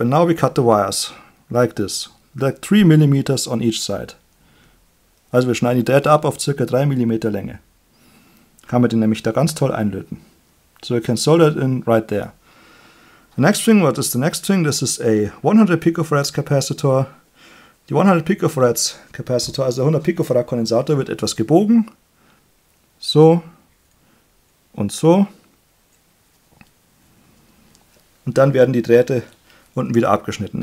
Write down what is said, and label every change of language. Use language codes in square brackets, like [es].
[en] And now we cut the wires like this. Like 3 mm on each side. [de] Also wir schneiden die Drähte ab auf ca. 3 mm Länge. Kann man den nämlich da ganz toll einlöten. [en] So you can solder it in right there. The next thing, what is the next thing? This is a 100 picofarads capacitor. [de] Die 100 picofarads capacitor, also der 100 picofarad Kondensator, wird etwas gebogen. So und so. Und dann werden die Drähte unten wieder abgeschnitten.